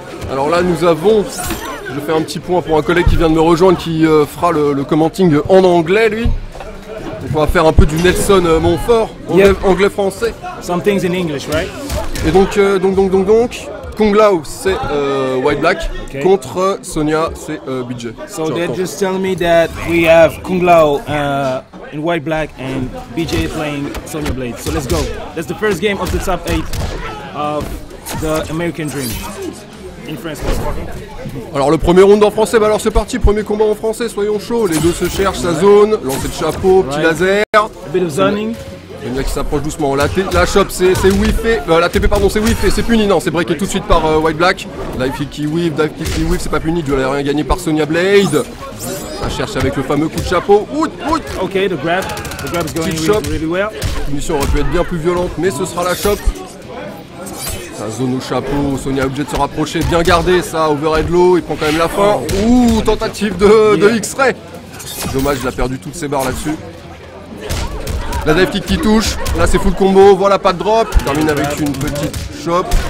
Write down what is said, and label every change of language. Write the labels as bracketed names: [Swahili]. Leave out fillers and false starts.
[French] Alors là nous avons, je fais un petit point pour un collègue qui vient de me rejoindre qui fera le commenting en anglais lui. Donc on va faire un peu du Nelson Montfort, yep. Anglais français. [English] Something's in English, right? [French] Et donc Kung Lao c'est White Black, okay. Contre Sonya c'est BJ. [English] So they're just telling me that we have Kung Lao in White Black and BJ playing Sonya Blade. So let's go. That's the first game of the top 8 of the American Dream in France. [French] Alors le premier round en français, bah alors c'est parti, premier combat en français, soyons chauds. Les deux se cherchent, right. Sa zone, lancer de chapeau, petit right. Laser. [English] A bit of zoning. [French] Il y en a qui s'approche doucement. La chop, c'est whiffé. La TP, pardon, c'est whiffé. C'est puni, non. C'est breaké tout de suite par White Black. Dive kick qui whiff. C'est pas puni. Du rien gagné par Sonya Blade. Ça cherche avec le fameux coup de chapeau. Oot. [English] Ok, the grab is going really, really well. [French] L'émission aurait pu être bien plus violente, mais ce sera la chop. Sa zone au chapeau. Sonya est obligée de se rapprocher. Bien gardé, ça. Overhead low. Il prend quand même la fin. Ouh, tentative de X-ray. Dommage, il a perdu toutes ses barres là-dessus. La dive kick qui touche, là c'est full combo, voilà pas de drop, termine avec une petite chop.